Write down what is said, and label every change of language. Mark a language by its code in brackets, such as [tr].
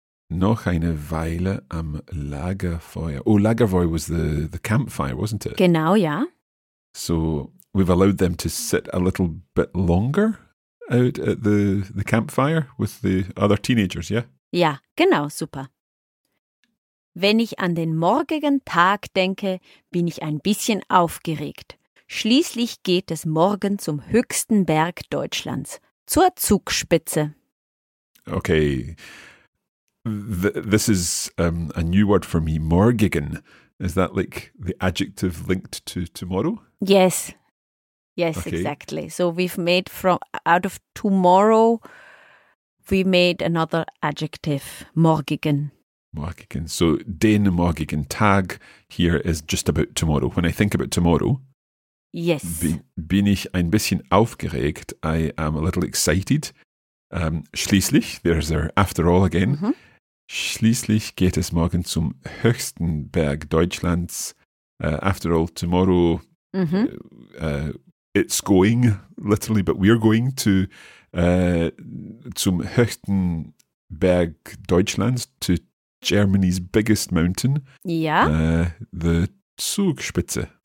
[de] Noch eine Weile am Lagerfeuer. [en] Oh, Lagerfeuer was the campfire, wasn't it? [de] Genau, ja. [en] So we've allowed them to sit a little bit longer out at the campfire with the other teenagers, yeah? [de] Ja, genau, super. Wenn ich an den morgigen Tag denke, bin ich ein bisschen aufgeregt. Schließlich geht es morgen zum höchsten Berg Deutschlands, zur Zugspitze. [en] Okay, this is a new word for me, morgigen. Is that like the adjective linked to tomorrow? Yes. Yes, okay. Exactly. So we've made from out of tomorrow, we made another adjective, morgigen. [de] Morgigen. [en] So [de] den morgigen Tag [en] here is just about tomorrow. When I think about tomorrow, yes, [de] bin ich ein bisschen aufgeregt. [en] I am a little excited. Schließlich, there's our after all again. Mm-hmm. [de] Schließlich geht es morgen zum höchsten Berg Deutschlands. [en] After all, tomorrow, it's going, literally, but we're going to [de] zum höchsten Berg Deutschlands, [en] to Germany's biggest mountain. [de] Ja. [en] The Zugspitze.